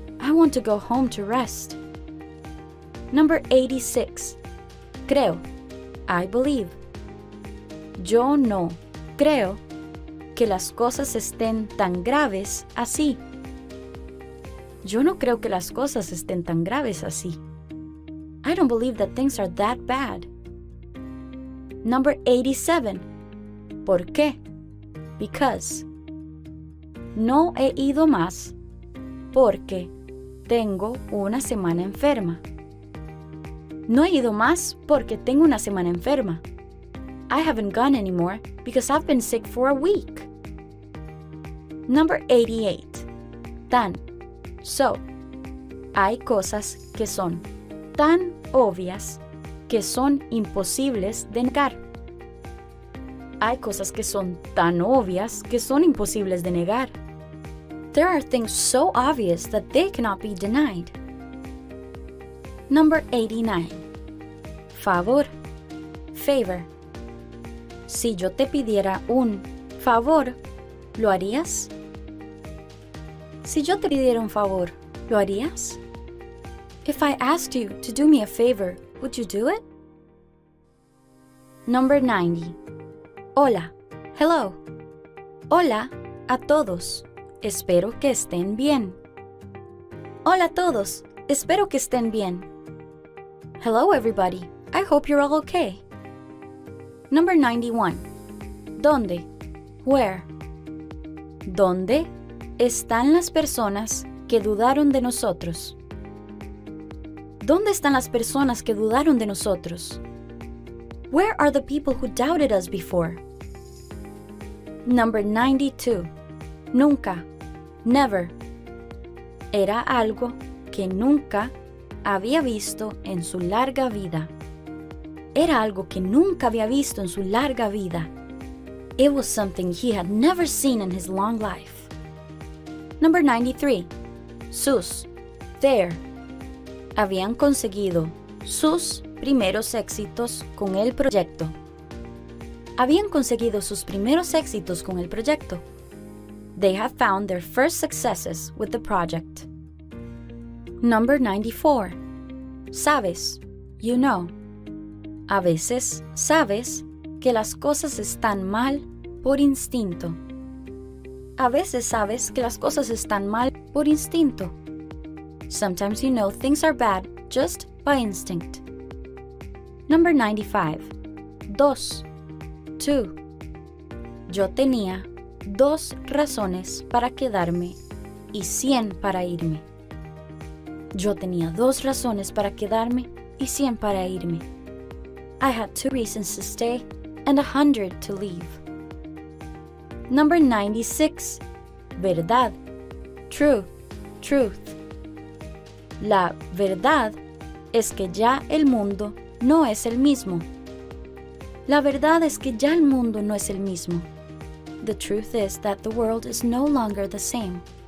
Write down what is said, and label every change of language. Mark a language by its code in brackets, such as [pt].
[en] I want to go home to rest. Number 86. Creo. I believe. [es] Yo no creo que las cosas estén tan graves así. Yo no creo que las cosas estén tan graves así. [en] I don't believe that things are that bad. Number 87. ¿Por qué? Because. [es] No he ido más porque tengo una semana enferma. No he ido más porque tengo una semana enferma. [en] I haven't gone anymore because I've been sick for a week. Number 88. Tan. So. [es] Hay cosas que son tan obvias que son imposibles de negar. Hay cosas que son tan obvias que son imposibles de negar. [en] There are things so obvious that they cannot be denied. Number 89. Favor. Favor. [es] Si yo te pidiera un favor, ¿lo harías? Si yo te pidiera un favor, ¿lo harías? [en] If I asked you to do me a favor, would you do it? Number 90. [es] Hola. Hello. Hola a todos. Espero que estén bien. Hola a todos. Espero que estén bien. [en] Hello, everybody. I hope you're all okay. Number 91. ¿Dónde? Where? [es] ¿Dónde están las personas que dudaron de nosotros? ¿Dónde están las personas que dudaron de nosotros? [en] Where are the people who doubted us before? Number 92. Nunca. Never. [es] Era algo que nunca había visto en su larga vida. Era algo que nunca había visto en su larga vida. [en] It was something he had never seen in his long life. Number 93. Sus. There. [es] Habían conseguido sus primeros éxitos con el proyecto. Habían conseguido sus primeros éxitos con el proyecto. [en] They have found their first successes with the project. Number 94. Sabes, you know. [es] A veces sabes que las cosas están mal por instinto. A veces sabes que las cosas están mal por instinto. [en] Sometimes you know things are bad just by instinct. Number 95. Dos. Two. [es] Yo tenía dos razones para quedarme y 100 para irme. Yo tenía dos razones para quedarme y 100 para irme. [en] I had two reasons to stay and 100 to leave. Number 96. Verdad. True. Truth. [es] La verdad es que ya el mundo no es el mismo. La verdad es que ya el mundo no es el mismo. [en] The truth is that the world is no longer the same.